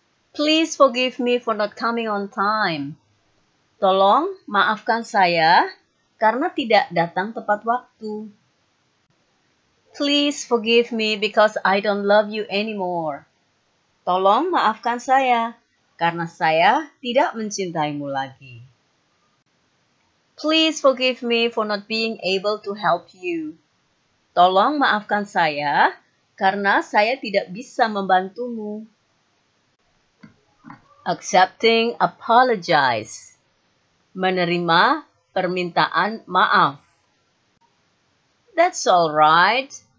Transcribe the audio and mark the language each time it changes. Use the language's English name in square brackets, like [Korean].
[English] Please forgive me for not coming on time. [Indonesian] Tolong maafkan saya karena tidak datang tepat waktu. [English] Please forgive me because I don't love you anymore. [Indonesian] Tolong maafkan saya karena saya tidak mencintaimu lagi. [English] Please forgive me for not being able to help you. [Indonesian] Tolong maafkan saya karena saya tidak bisa membantumu. [English] Accepting apologize. [Indonesian] Menerima permintaan maaf. [English] That's all right.